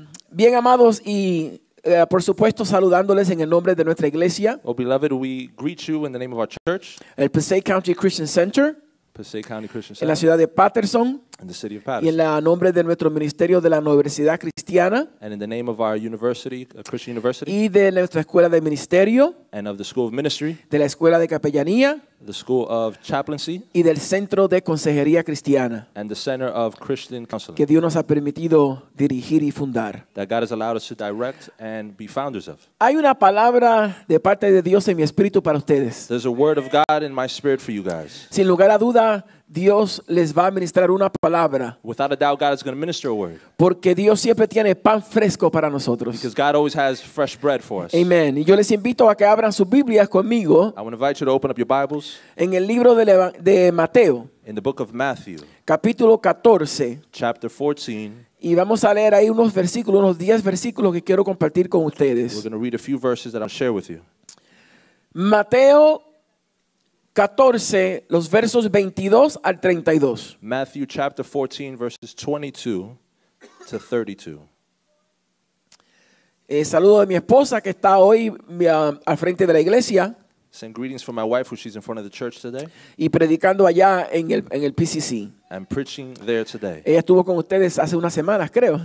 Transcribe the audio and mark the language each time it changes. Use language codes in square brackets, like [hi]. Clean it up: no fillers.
[es] Bien amados y por supuesto saludándoles en el nombre de nuestra iglesia. [en] Oh, beloved, we greet you in the name of our church. [es] El Passaic County Christian Center. [en] Passaic County Christian Center. [es] En la ciudad de Patterson. [en] In the city of Patterson. [es] Y en el nombre de nuestro ministerio de la Universidad Cristiana. [en] And in the name of our university, a Christian university. [es] Y de nuestra escuela de ministerio. [en] And of the school of ministry. [es] De la escuela de capellanía. [en] The school of chaplaincy. [es] Y del centro de consejería cristiana. [en] And the center of Christian counseling. [es] Que Dios nos ha permitido dirigir y fundar. [en] That God has allowed us to direct and be founders of. [es] Hay una palabra de parte de Dios en mi espíritu para ustedes. [en] There's a word of God in my spirit for you guys. [es] Sin lugar a duda, Dios les va a ministrar una palabra. [en] Without a doubt, God is going to minister a word. [es] Porque Dios siempre tiene pan fresco para nosotros. [en] Because God always has fresh bread for us. Amen. [es] Y yo les invito a que abran sus Biblias conmigo. [en] I want to invite you to open up your Bibles. [es] En el libro de Mateo. [en] In the book of Matthew. [es] Capítulo 14. [en] Chapter 14. [es] Y vamos a leer ahí unos versículos, unos 10 versículos que quiero compartir con ustedes. [en] We're going to read a few verses that I'll share with you. [es] Mateo 14, los versos 22 al 32. [en] Matthew chapter 14, verses 22 to 32. [es] Saludo de mi esposa que está hoy al frente de la iglesia. [en] Send greetings from my wife, who she's in front of the church today. [es] Y predicando allá en el PCC. [en] I'm preaching there today. [es] Ella estuvo con ustedes hace unas semanas, creo.